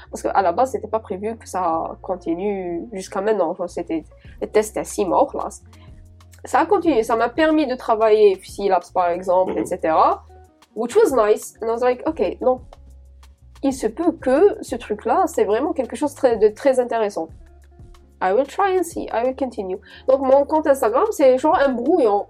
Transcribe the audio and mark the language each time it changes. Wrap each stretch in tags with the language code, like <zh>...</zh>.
<fr>Parce qu'à la base, c'était pas prévu que ça continue jusqu'à maintenant. C'était le test à 6 mois en classe. Ça a continué, ça m'a permis de travailler Phillips par exemple, etc.</fr> <en>Which was nice. And I was like, OK,</en> <fr>non. Il se peut que ce truc-là, c'est vraiment quelque chose de très intéressant.</fr> <en>I will try and see, I will continue.</en> <fr>Donc mon compte Instagram, c'est genre un brouillon.</fr>